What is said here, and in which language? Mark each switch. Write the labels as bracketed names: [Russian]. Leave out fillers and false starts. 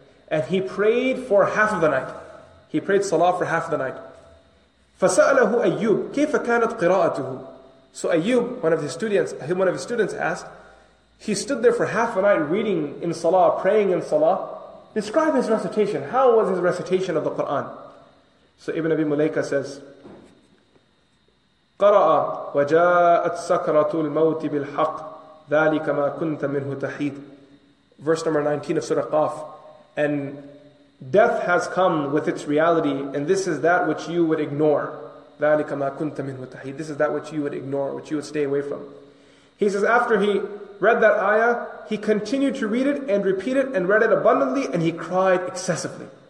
[English] And he prayed for half of the night. He prayed salah for half of the night. [Arabic] فَسَأَلَهُ أَيُّبْ كَيْفَ كَانَتْ قِرَاءَتُهُ. [English] So Ayyub, one of his students asked, he stood there for half a night reading in salah, praying in salah. Describe his recitation. How was his recitation of the Qur'an? So Ibn Abi Mulayka says, [Arabic] قَرَأَ وَجَاءَتْ سَكْرَةُ الْمَوْتِ بِالْحَقِّ ذَلِكَ مَا كُنْتَ مِنْهُ تَحِيدُ. [English] Verse number 19 of Surah Qaf. And death has come with its reality, and this is that which you would ignore. [Arabic] ذَلِكَ مَا كُنْتَ مِنْهُ تَحِيدُ. [English] This is that which you would ignore, which you would stay away from. He says, after he read that ayah, he continued to read it and repeat it and read it abundantly, and he cried excessively.